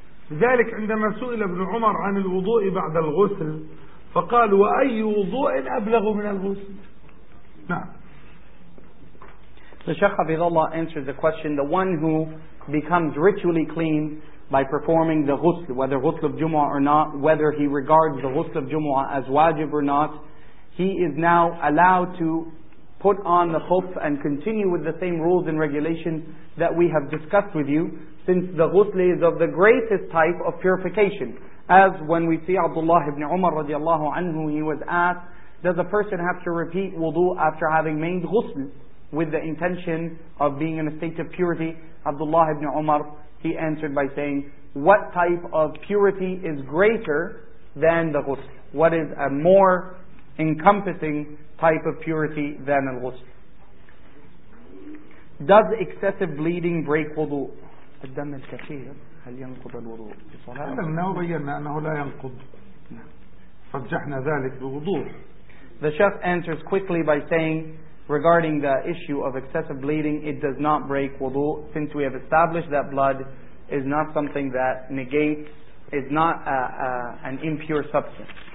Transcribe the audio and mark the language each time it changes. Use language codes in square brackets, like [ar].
[ar] لذلك عندما سئل ابن عمر عن الوضوء بعد الغسل فقال: وأي وضوء أبلغ من الغسل؟ نعم. [en] So Sheikh Hafizullah answers the question: the one who becomes ritually clean by performing the ghusl, whether ghusl of Jumu'ah or not, whether he regards the ghusl of Jumu'ah as wajib or not, he is now allowed to put on the khuf and continue with the same rules and regulations that we have discussed with you, since the ghusl is of the greatest type of purification. As when we see Abdullah ibn Umar radiallahu anhu, he was asked, does a person have to repeat wudu after having made ghusl with the intention of being in a state of purity? Abdullah ibn Umar, he answered by saying, what type of purity is greater than the ghusl? What is a more encompassing type of purity than the ghusl? Does excessive bleeding break wudu? [ar] الدم الكثير هل ينقض الوضوء؟ علمنا وبينا أنه لا ينقض، رجحنا ذلك بوضوح. [en] The chef answers quickly by saying, regarding the issue of excessive bleeding, it does not break wudu, since we have established that blood is not something that negates, is not an impure substance.